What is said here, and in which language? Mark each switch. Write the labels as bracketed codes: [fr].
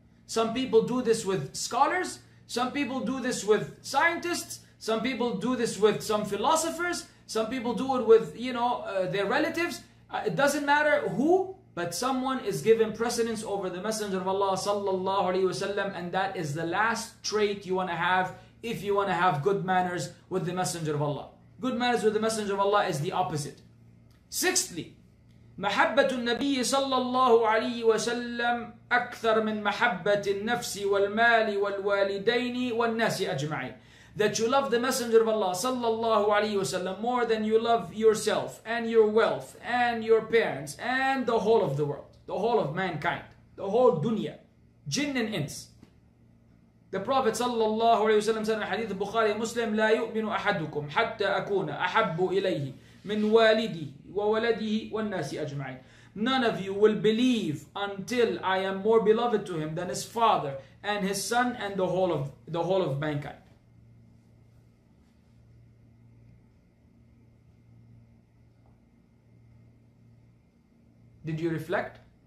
[en] Some people do this with scholars, some people do this with scientists, some people do this with some philosophers, some people do it with, their relatives. It doesn't matter who, but someone is given precedence over the Messenger of Allah sallallahu alayhi wa sallam, and that is the last trait you want to have if you want to have good manners with the Messenger of Allah. Good manners with the Messenger of Allah is the opposite. [ar] Sixthly, محبت النبي صلى الله عليه وسلم أكثر من محبة النفس والمال والوالدين والناس أجمعين. [en] That you love the Messenger of Allah sallallahu alayhi wa sallam more than you love yourself and your wealth and your parents and the whole of the world, the whole of mankind, the whole dunya, jinn and ins. The Prophet sallallahu alayhi wa sallam said in hadith Bukhari Muslim, [ar] لا يؤمن أحدكم حتى أكون أحب إليه من والدي وولده والناس أجمعين. [en] None of you will believe until I am more beloved to him than his father and his son and the whole of mankind. Did you reflect?